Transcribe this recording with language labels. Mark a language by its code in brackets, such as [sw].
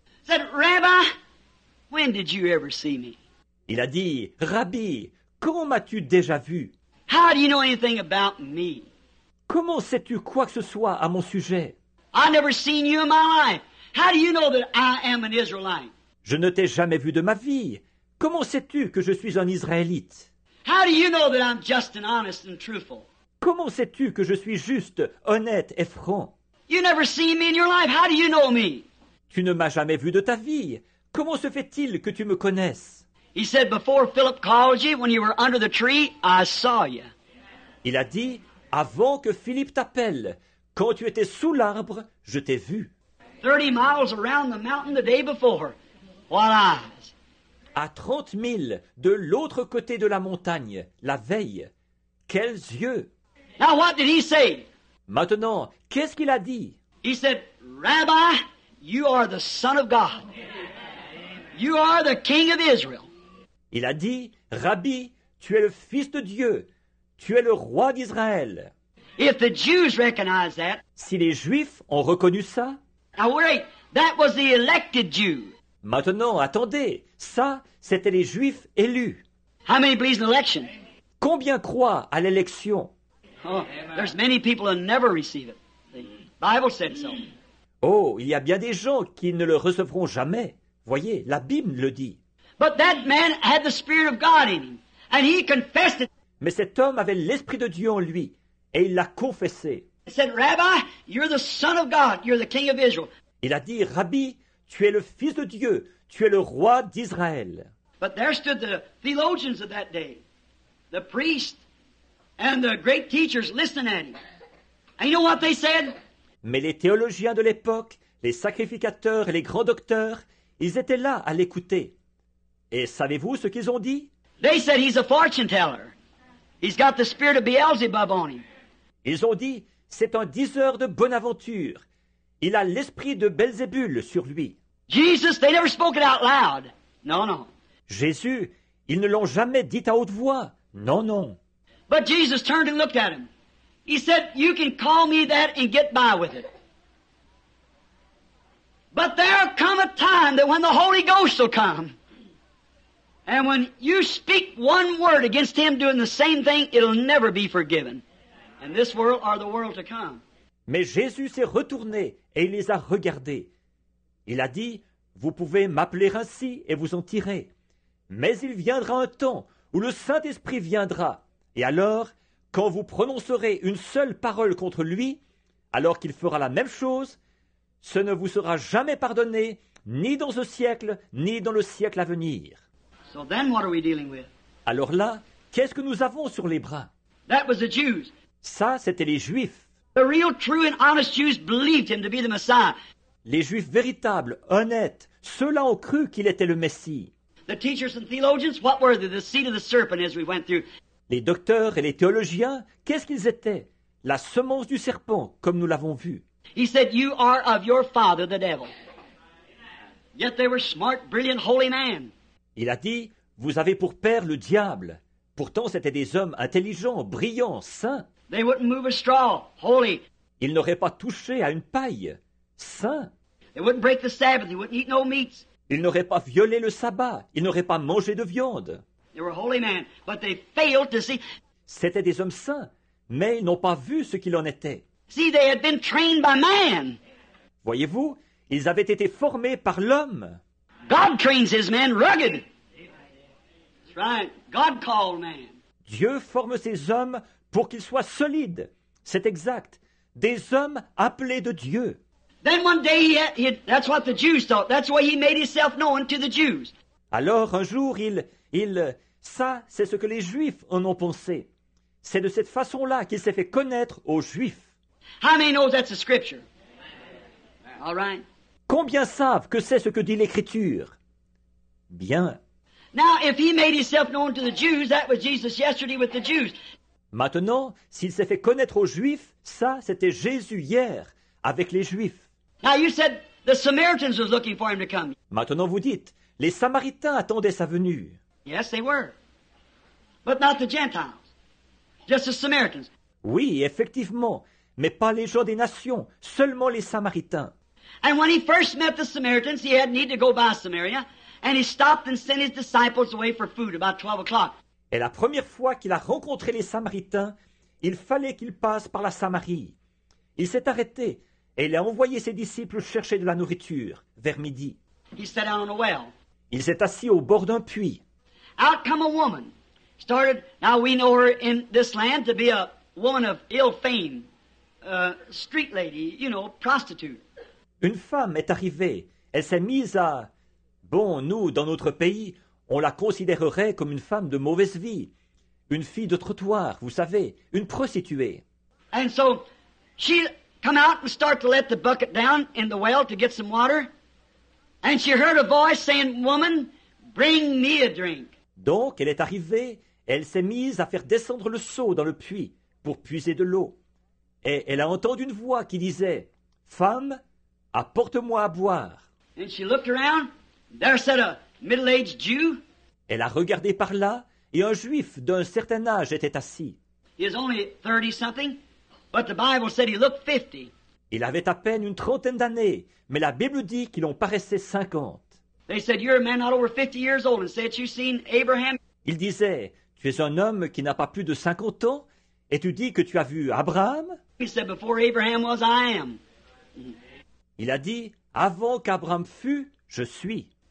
[en] He said, Rabbi, when did you ever see me? [fr] Il a dit, Rabbi, quand m'as-tu déjà vu? [en] How do you know anything about me? [fr] Comment sais-tu quoi que ce soit à mon sujet? [en] I've never seen you in my life. How do you know that I am an Israelite? [fr] Je ne t'ai jamais vu de ma vie. Comment sais-tu que je suis un Israélite? [en] How do you know that I'm just and honest and truthful? [fr] Comment sais-tu que je suis juste, honnête et franc? [en] You never seen me in your life. How do you know me? [fr] Tu ne m'as jamais vu de ta vie. Comment se fait-il que tu me connaisses? [en] He said before Philip called you, when you were under the tree, I saw you. [fr] Il a dit, avant que Philippe t'appelle, quand tu étais sous l'arbre, je t'ai vu. [en] 30 miles around the mountain the day before. [fr] Voilà. À 30 milles de l'autre côté de la montagne, la veille. Quels yeux! [en] Now what did he say? [fr] Maintenant, qu'est-ce qu'il a dit? [en] He said, Rabbi, you are the son of God. You are the king of Israel. [fr] Il a dit, Rabbi, tu es le fils de Dieu. Tu es le roi d'Israël. [en] If the Jews recognize that, [fr] si les Juifs ont reconnu ça, [en] now wait, that was the elected Jew. [fr] Maintenant, attendez, ça, c'était les Juifs élus. [en] How many believe in election? [fr] Combien croient à l'élection? [en] Oh, there's many people who never receive it. The Bible said so. [fr] Oh, il y a bien des gens qui ne le recevront jamais. Voyez, la Bible le dit. [en] But that man had the Spirit of God in him, and he confessed it. [fr] Mais cet homme avait l'Esprit de Dieu en lui, et il l'a confessé. [en] He said, Rabbi, you're the son of God, you're the king of Israel. [fr] Il a dit, Rabbi, tu es le fils de Dieu, tu es le roi d'Israël. [en] But there stood the theologians of that day, the priests and the great teachers listening at him. And you know what they said? [fr] Mais les théologiens de l'époque, les sacrificateurs et les grands docteurs, ils étaient là à l'écouter. Et savez-vous ce qu'ils ont dit? [en] They said he's a fortune teller. He's got the spirit of Beelzebub on him. [fr] Ils ont dit, c'est un diseur de bonne aventure. Il a l'esprit de Belzébul sur lui. [en] Jesus, they never spoke it out loud. No, no. [fr] Jésus, ils ne l'ont jamais dit à haute voix. Non, non. [en] But Jesus turned and looked at him. He said, you can call me that and get by with it. But there come a time that when the Holy Ghost will come, and when you speak one word against him doing the same thing, it'll never be forgiven. And this world or the world to come. [fr] Mais Jésus s'est retourné et il les a regardés. Il a dit, vous pouvez m'appeler ainsi et vous en tirer. Mais il viendra un temps où le Saint-Esprit viendra. Et alors, quand vous prononcerez une seule parole contre lui, alors qu'il fera la même chose, ce ne vous sera jamais pardonné, ni dans ce siècle, ni dans le siècle à venir. [en] So then what are we dealing with? [fr] Alors là, qu'est-ce que nous avons sur les bras? [en] That was the Jews. [fr] Ça, c'était les Juifs. [en] The real, true and honest Jews believed him to be the Messiah. [fr] Les Juifs véritables, honnêtes, ceux-là ont cru qu'il était le Messie. [en] The teachers and theologians, what were they? The seed of the serpent as we went through. [fr] Les docteurs et les théologiens, qu'est-ce qu'ils étaient? La semence du serpent, comme nous l'avons vu. [en] He said, you are of your father, the devil. Yet they were smart, brilliant, holy men. [fr] Il a dit, vous avez pour père le diable. Pourtant, c'était des hommes intelligents, brillants, saints. [en] They wouldn't move a straw, holy. [fr] Ils n'auraient pas touché à une paille, saints. [en] They wouldn't break the Sabbath, they wouldn't eat no meats. [fr] Ils n'auraient pas violé le sabbat, ils n'auraient pas mangé de viande. [en] They were holy men, but they failed to see. [fr] C'était des hommes saints, mais ils n'ont pas vu ce qu'il en était. [en] See, they had been trained by man. [fr] Voyez-vous, ils avaient été formés par l'homme. [en] God trains his men rugged. That's right. God called man. [fr] Dieu forme ses hommes pour qu'ils soient solides. C'est exact. Des hommes appelés de Dieu. [en] Then one day that's what the Jews thought. That's why he made himself known to the Jews. [fr] Alors un jour ça c'est ce que les Juifs en ont pensé. C'est de cette façon-là qu'il s'est fait connaître aux Juifs. [en] How many know that's the scripture? All right. [fr] Combien savent que c'est ce que dit l'Écriture? Bien. [en] Now, if he made himself known to the Jews, that was Jesus yesterday with the Jews. [fr] Maintenant, s'il s'est fait connaître aux Juifs, ça, c'était Jésus hier, avec les Juifs. [en] Now, you said the Samaritans were looking for him to come. [fr] Maintenant, vous dites, les Samaritains attendaient sa venue. [en] Yes, they were. But not the Gentiles. Just the Samaritans. [fr] Oui, effectivement. Mais pas les gens des nations, seulement les Samaritains. [en] And when he first met the Samaritans, he had need to go by Samaria, and he stopped and sent his disciples away for food about 12 o'clock. [fr] Et la première fois qu'il a rencontré les Samaritains, il fallait qu'il passe par la Samarie. Il s'est arrêté et il a envoyé ses disciples chercher de la nourriture vers midi. [en] He sat down on a well. [fr] Il s'est assis au bord d'un puits. [en] Out come a woman. Started, now we know her in this land to be a woman of ill fame, street lady, you know, prostitute. [fr] Une femme est arrivée. Elle s'est mise à... Bon, nous, dans notre pays, on la considérerait comme une femme de mauvaise vie. Une fille de trottoir, vous savez, une prostituée. [en] And so, she come out and start to let the bucket down in the well to get some water. And she heard a voice saying, woman, bring me a drink. [fr] Donc, elle est arrivée, elle s'est mise à faire descendre le seau dans le puits pour puiser de l'eau. Et elle a entendu une voix qui disait, femme, apporte-moi à boire. [en] And she looked around, there sat a middle-aged Jew. [fr] Elle a regardé par là, et un juif d'un certain âge était assis. [en] He was only 30-something, but the Bible said he looked 50. [fr] Il avait à peine une trentaine d'années, mais la Bible dit qu'il en paraissait 50. [en] They said, you're a man not over 50 years old, and said, you've seen Abraham. [fr] Il disait, tu es un homme qui n'a pas plus de 50 ans, et tu dis que tu as vu Abraham? [en] He said, before Abraham was, I am. [fr] Il a dit, avant qu'Abraham fût, je suis.